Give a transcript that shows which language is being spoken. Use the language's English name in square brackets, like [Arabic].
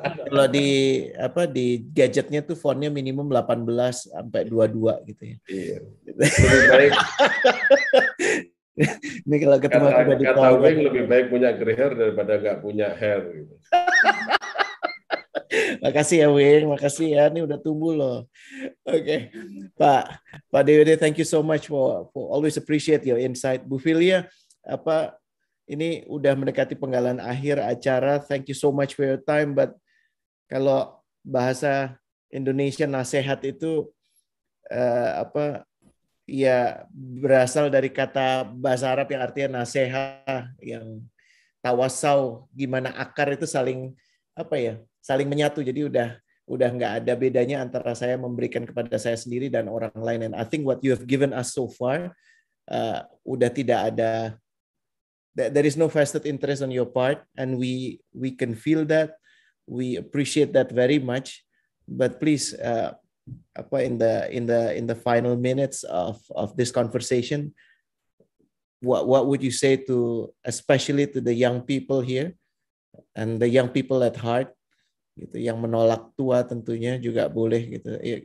[Indonesian] Kalau di apa di gadgetnya tuh fontnya minimum 18 sampai 22 gitu ya. Iya. Lebih baik. Ini kalau ketemu aku di kantor. Kata Wing lebih baik punya gray hair daripada nggak punya hair. Gitu. Makasih ya Wing, makasih ya. Ini udah tumbuh loh. [English] Oke, Pak Dewi, thank you so much for always appreciate your insight. [Indonesian] Bu Filia, apa ini udah mendekati penggalan akhir acara. [English] Thank you so much for your time, but [Indonesian] kalau bahasa Indonesia nasehat itu ya berasal dari kata bahasa Arab yang artinya nasihat, yang tawasau, gimana akar itu saling apa ya, saling menyatu. Jadi udah nggak ada bedanya antara saya memberikan kepada saya sendiri dan orang lain. [English] And I think what you have given us so far, [Indonesian] udah tidak ada, [English] there is no vested interest on your part, and we can feel that, we appreciate that very much. But please, in the final minutes of this conversation, what would you say to, especially to the young people here, and the young people at heart, gitu, [Indonesian] yang menolak tua tentunya juga boleh, gitu.